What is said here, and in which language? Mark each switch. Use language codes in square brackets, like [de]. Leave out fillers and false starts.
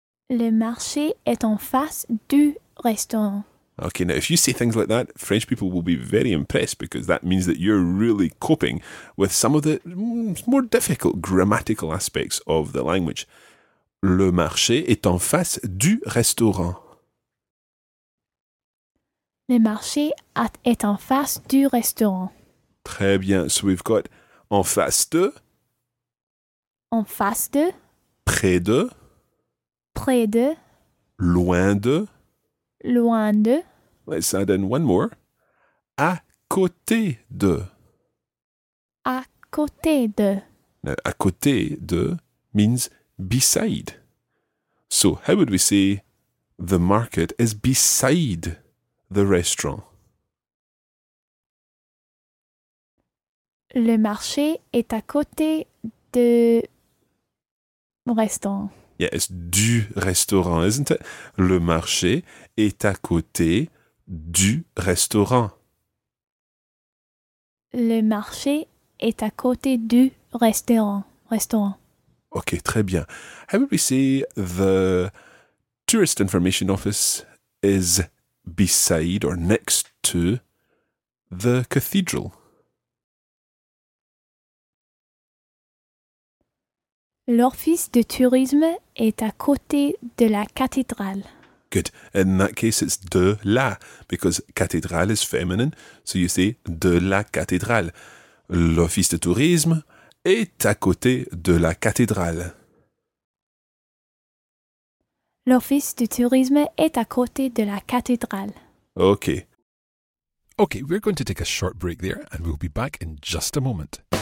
[fr] Le marché est en face du restaurant. [en] Okay, now if you say things like that, French people will be very impressed because that means that you're really coping with some of the more difficult grammatical aspects of the language. [fr] Le marché est en face du restaurant. Le marché est en face du restaurant. Très bien. [en] So we've got [fr] en face de. En face de. Près de. Près de. Loin de. Loin de. Let's add in one more. À côté de. À côté de. [en] Now, [fr] à côté de [en] means beside. So, how would we say the market is beside the restaurant? [fr] Le marché est à côté de restaurant. [en] Yes, yeah, [fr] du restaurant, [en] isn't it? [fr] Le marché est à côté du restaurant. Le marché est à côté du restaurant. Restaurant. [en] OK, [fr] très bien. [en] How would we say the tourist information office is beside or next to the cathedral? [fr] L'office de tourisme est à côté de la cathédrale. [en] Good. In that case, it's [fr] de la, [en] because cathédrale is feminine, so you say [fr] de la cathédrale. L'office de tourisme est à côté de la cathédrale. L'office de tourisme est à côté de la cathédrale. [en] OK. OK, we're going to take a short break there and we'll be back in just a moment.